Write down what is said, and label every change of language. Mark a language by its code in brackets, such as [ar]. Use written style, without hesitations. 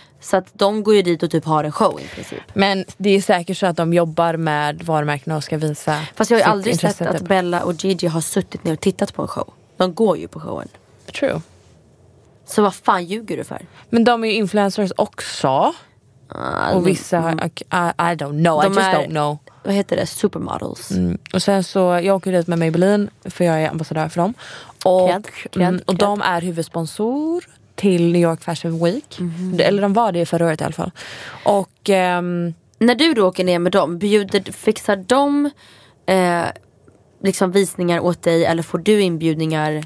[sv] Så att de går ju dit och typ har en show i princip. Men det är säkert så att de jobbar med varumärken och ska visa. Fast jag har ju aldrig sett att Bella och Gigi har suttit ner och tittat på en show. De går ju på showen. [en] True. [sv] Så vad fan ljuger du för? Men de är ju influencers också. Och vissa har, [en] I don't know, I just don't know. [sv] Vad heter det? Supermodels. Mm. Och sen så, jag åker ut med Maybelline. För jag är ambassadör för dem. Och de är huvudsponsor till New York Fashion Week. Mm-hmm. Eller de var det förra året i alla fall. Och när du då åker ner med dem, bjuder, fixar de liksom visningar åt dig eller får du inbjudningar?